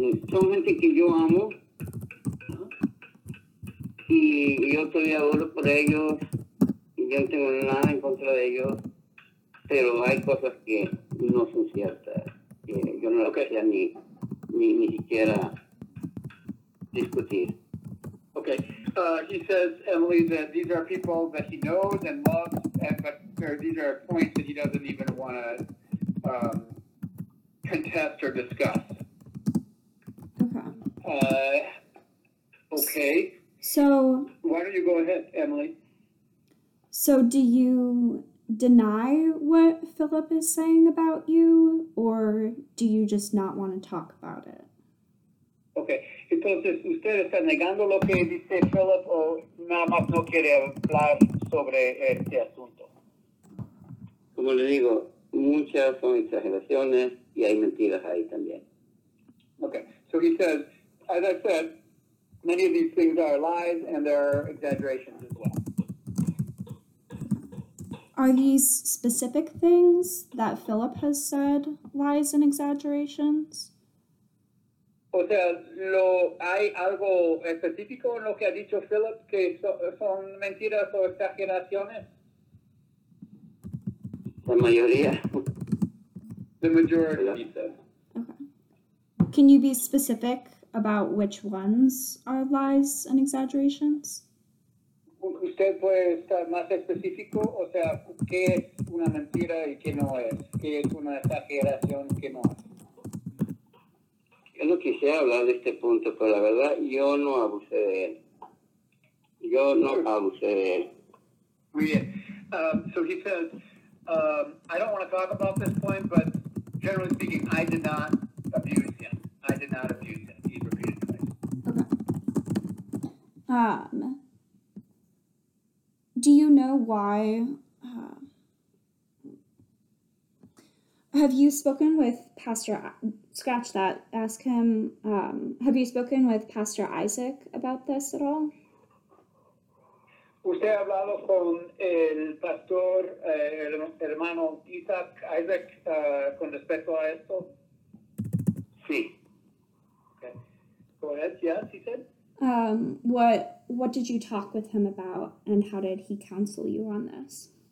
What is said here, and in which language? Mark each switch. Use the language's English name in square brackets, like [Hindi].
[Spanish] Son gente que yo amo y yo todavía oro por ellos y yo no tengo nada en contra de ellos. pero hay cosas que no son ciertas, que yo no lo quería ni siquiera discutir. [English] Okay. He says, Emily, that these are people that he knows and loves, and these are points that he doesn't even want to contest or discuss. Okay. Okay. So. Why don't you go ahead, Emily? So, do you deny what Philip is saying about you, or do you just not want to talk about it? Okay. [Spanish] Entonces, ¿usted está negando lo que dice Philip o nada más no quiere hablar sobre este asunto? Como le digo, muchas son exageraciones y hay mentiras ahí también. [English] Okay, so he says, as I said, many of these things are lies and there are exaggerations as well. Are these specific things that Philip has said lies and exaggerations? [Spanish] O sea, ¿hay algo específico en lo que ha dicho Philip que son mentiras o exageraciones? La mayoría. [English] The majority, yeah. He said. Okay. Can you be specific about which ones are lies and exaggerations? [Spanish] ¿Usted puede estar más específico? O sea, ¿qué es una mentira y qué no es? ¿Qué es una exageración y qué no es? Yo no quisiera hablar de este punto, pero la verdad, yo no abusé de él. Yo no abusé de él. Muy bien. [English] So he says, I don't want to talk about this point, but generally speaking, I did not abuse him. I did not abuse him. He's repeated twice. Okay. Do you know why? Have you spoken with Pastor, scratch that, ask him, have you spoken with Pastor Isaac about this at all? [Spanish] ¿Usted ha hablado con el pastor, el hermano Isaac, con respecto a esto? Sí. [English] Okay. Go ahead, yes, he said. What did you talk with him about, and how did he counsel you on this?